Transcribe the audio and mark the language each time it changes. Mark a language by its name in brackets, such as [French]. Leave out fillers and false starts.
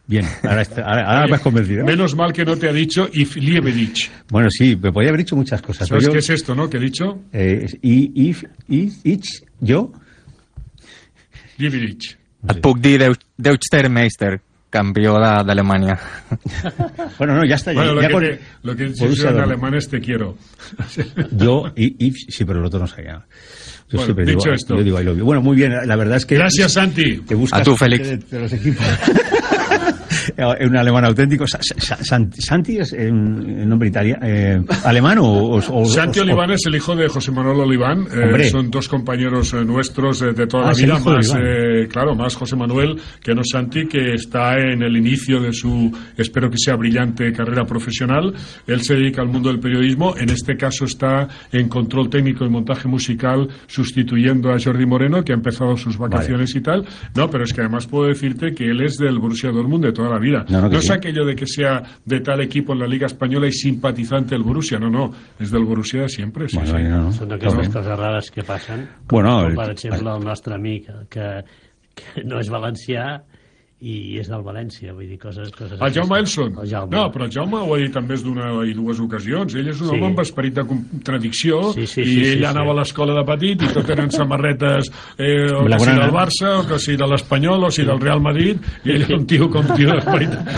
[Spanish] Bien, ahora me has convencido. Menos mal que no te ha dicho if Liebenich. Bueno, sí, me podría haber dicho muchas cosas. ¿Sabes qué es esto, no? ¿Qué he dicho? If ¿Yo? Liebenich. [Catalan] Et puc dir Deutschmeister, campió d'Alemanya. [Spanish] Bueno, no, ya está. Bueno, ya lo que he dicho en alemán es te quiero. Yo, if sí, pero el otro no sabía. Yo bueno, siempre dicho digo, esto. Yo digo [English] I love you. [Spanish] Bueno, muy bien, la verdad es que... Gracias, Santi. Te buscas a tú, Félix. De los equipos. Es un alemán auténtico. Santi es el nombre italiano. ¿Alemán o Santi Oliván es el hijo de José Manuel Oliván. Son dos compañeros nuestros de toda la vida. Más José Manuel que no Santi, que está en el inicio de su, espero que sea brillante, carrera profesional. Él se dedica al mundo del periodismo. En este caso está en control técnico y montaje musical, sustituyendo a Jordi Moreno, que ha empezado sus vacaciones y tal. No, pero es que además puedo decirte que él es del Borussia Dortmund de toda la vida. No, es aquello de que sea de tal equipo en la Liga Española y simpatizante del Borussia. No, es del Borussia de siempre. Sí, bueno, sí. No. [Catalan] Son aquestes coses rares que passen. Bueno, per exemple, el nostre amic que no és valencià i és del València, vull dir, coses... El Jaume Elson. El Jaume. No, però Jaume ho ha dit també d'una i dues ocasions. Ell és un home amb esperit de contradicció anava a l'escola de petit i tot eren samarretes o del Barça, o que sigui de l'Espanyol, o sigui del Real Madrid, i ell era un tio com tio d'esperit.